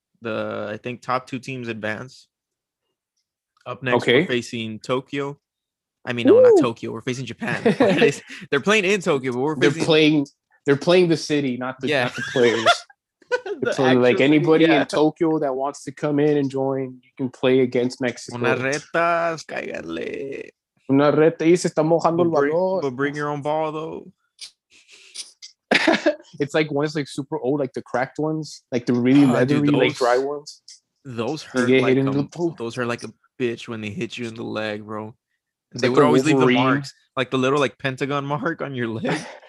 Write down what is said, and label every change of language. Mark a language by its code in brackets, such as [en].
[en] I think top two teams advance. Up next, we're facing Tokyo. I mean, not Tokyo. We're facing Japan. They're playing in Tokyo, but they're playing the city, not the players. Like anybody in Tokyo that wants to come in and join, you can play against Mexico. [es] Una reta, cállale. Una reta, y se está mojando el balón. [en] But bring your own ball, though. It's like one is like super old, like the cracked ones, like the really leathery, dude, like dry ones. Those hurt like hit those are like a bitch when they hit you in the leg, bro. It's they like would always Wolverine. Leave the marks, like the little like pentagon mark on your leg.